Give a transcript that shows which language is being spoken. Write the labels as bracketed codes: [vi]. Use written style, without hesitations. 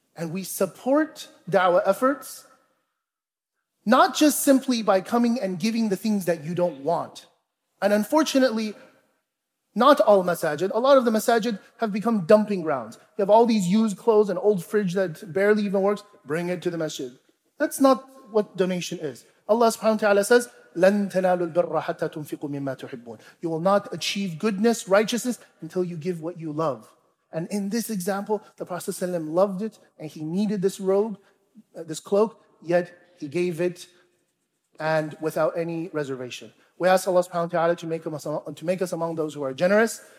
[en] And we support da'wah efforts, not just simply by coming and giving the things that you don't want. And unfortunately, Not all masajid. A lot of the masajid have become dumping grounds. You have all these used clothes, an old fridge that barely even works. Bring it to the masjid. That's not what donation is. Allah subhanahu wa ta'ala says, [ar] لَن تَنَالُوا الْبِرَّ حَتَّى تُنْفِقُوا مِمَّا تُحِبُّونَ. [en] You will not achieve goodness, righteousness, until you give what you love. And in this example, the Prophet ﷺ loved it, and he needed this robe, this cloak, yet he gave it, and without any reservation. We ask Allah subhanahu wa ta'ala to make us among those who are generous.